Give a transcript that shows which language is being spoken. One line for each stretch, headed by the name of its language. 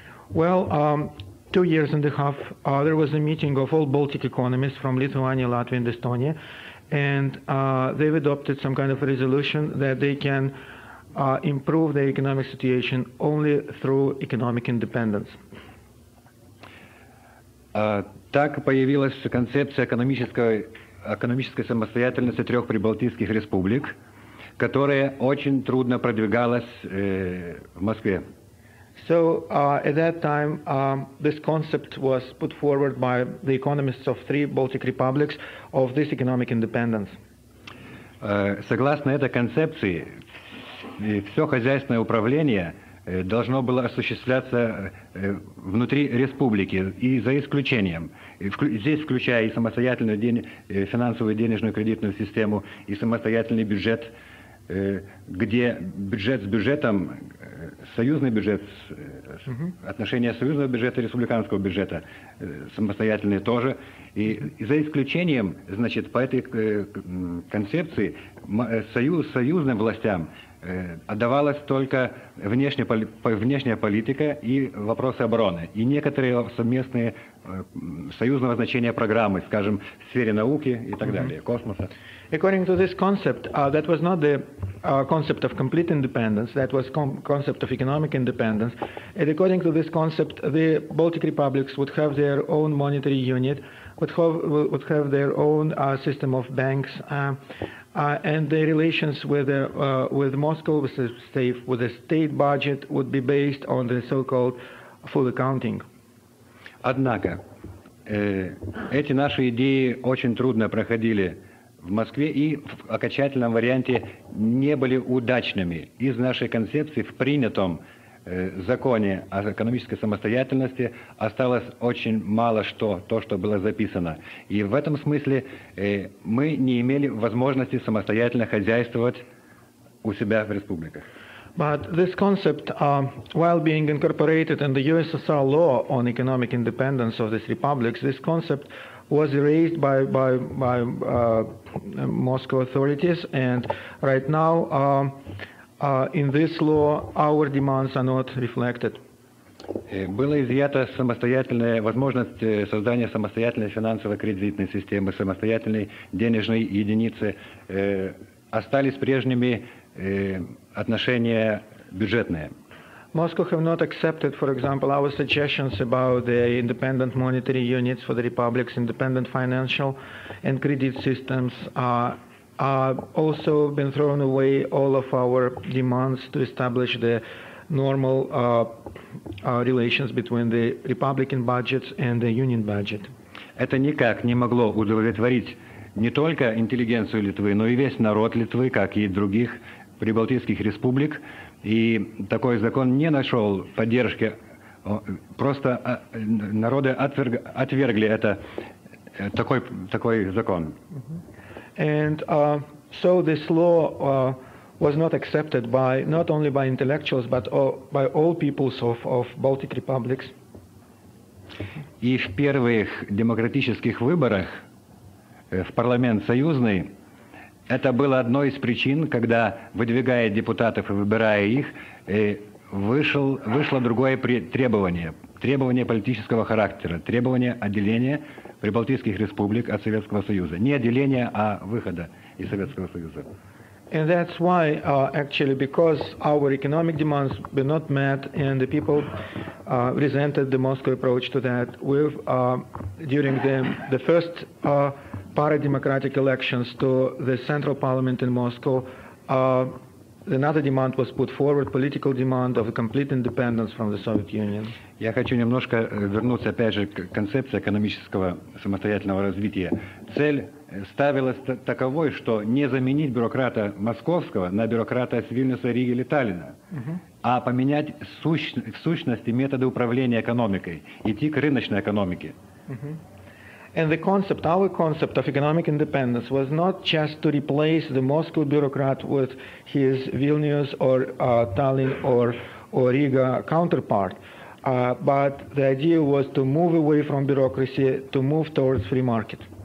English: Well, 2.5 years there was a meeting of all Baltic economists from Lithuania, Latvia and Estonia, and they've adopted some kind of a resolution that they can improve their economic situation only through economic independence.
Russian: Так появилась концепция экономической самостоятельности трех прибалтийских республик, которая очень трудно продвигалась в Москве.
English: So at that time this concept was put forward by the economists of three Baltic republics of this economic independence.
Russian: Согласно этой концепции, все хозяйственное управление должно было осуществляться внутри республики и за исключением. Здесь включая и самостоятельную финансовую денежную кредитную систему, и самостоятельный бюджет, где бюджет с бюджетом, союзный бюджет, отношения союзного бюджета и республиканского бюджета самостоятельные тоже. И за исключением, значит, по этой концепции союзным властям отдавалась только внешняя политика и вопросы обороны, и некоторые совместные союзного значения программы, скажем, в сфере науки и так далее, космоса.
English: According to this concept, that was not the concept of complete independence, that was concept of economic independence. And according to this concept, the Baltic republics would have their own monetary unit, would have their own system of banks, and their relations with Moscow, with the state budget, would be based on the so-called full accounting.
Russian: Однако, эти наши идеи очень трудно проходили в Москве и в окончательном варианте не были удачными. Из нашей концепции в принятом законе о экономической самостоятельности осталось очень мало что, то, что было записано. И в этом смысле мы не имели возможности самостоятельно хозяйствовать у себя в республиках.
English: But this concept, while being incorporated in the USSR law on economic independence of these republics, this concept was erased by Moscow authorities, and right now in this law our demands are not reflected.
Russian: Была изъята самостоятельная возможность создания самостоятельной финансово-кредитной системы, самостоятельной денежной единицы. Остались прежними отношения бюджетные.
English: Moscow have not accepted, for example, our suggestions about the independent monetary units for the republics, independent financial and credit systems. Also been thrown away all of our demands to establish the normal relations between the republican budgets and the union budget.
Russian: Это никак не могло удовлетворить не только интеллигенцию Литвы, но и весь народ Литвы, как и других прибалтийских республик. И такой закон не нашел поддержки. Просто народы отвергли это, такой закон.
English: And so this law was not accepted by not only by intellectuals, but by all peoples of Baltic republics.
Russian: И в первых демократических выборах в парламент союзный это было одной из причин, когда, выдвигая депутатов и выбирая их, вышло другое требование. Требование политического характера. Требование отделения прибалтийских республик от Советского Союза. Не отделения, а выхода из Советского Союза.
English: And that's why, actually, because our economic demands were not met and the people resented the Moscow approach to that, during the first parademocratic elections to the central parliament in Moscow, another demand was put forward, political demand of a complete independence from the Soviet Union.
Russian: Я хочу немножко вернуться опять же к концепции экономического самостоятельного развития. Цель ставилась таковой, что не заменить бюрократа московского на бюрократа с Вильнюса, Риги или Таллина, а поменять в сущности методы управления экономикой, идти к рыночной экономике.
English: And the concept, our concept of economic independence was not just to replace the Moscow bureaucrat with his Vilnius or Tallinn or Riga counterpart, but the idea was to move away from bureaucracy, to move towards free market.